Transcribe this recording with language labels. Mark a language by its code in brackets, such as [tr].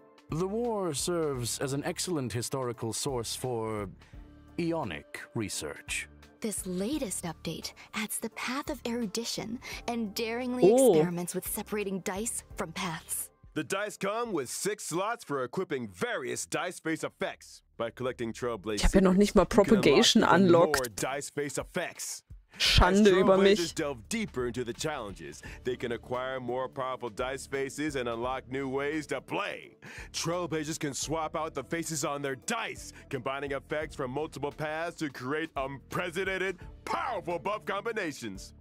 [en] The war serves as an excellent historical source for eonic research. This latest update adds the path of erudition and daringly experiments with separating dice from paths. The dice come with 6 slots for equipping various dice face effects. By collecting Trailblaze, [de] ich habe ja noch nicht mal Propagation unlocked. [en] Dice face effects. [de] Schande über mich. [en] Delve deeper into the challenges. They can acquire more powerful dice faces and unlock new ways to play. Trailblazers can swap out the faces on their dice, combining effects from multiple paths to create unprecedented, powerful buff combinations.